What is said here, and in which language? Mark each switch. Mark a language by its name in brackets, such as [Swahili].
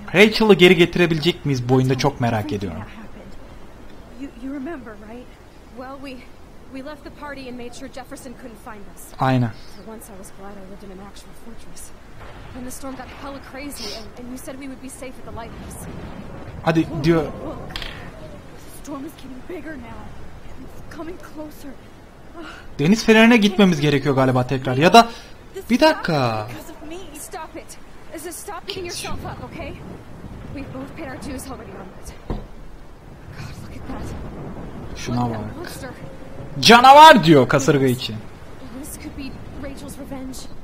[Turkish] Rachel'ı geri getirebilecek miyiz bu oyunda, çok merak ediyorum. [English] You remember, right? Well, we left the party and made sure Jefferson couldn't find us. [Turkish] Aynen. [English] For once I was glad I lived in an actual fortress. When the storm got hella crazy and you said we would be safe at the lighthouse. [Turkish] Hadi diyor. [English] Storm is getting bigger now. It's coming closer. [Turkish] Deniz fenerine gitmemiz gerekiyor galiba tekrar, ya da bir dakika. [English] Stop it. Just stop beating yourself up, okay? We've both paid our dues already on it. God, look at that. [Turkish] Şuna bak. Canavar diyor kasırga için. [English] This could be Rachel's revenge.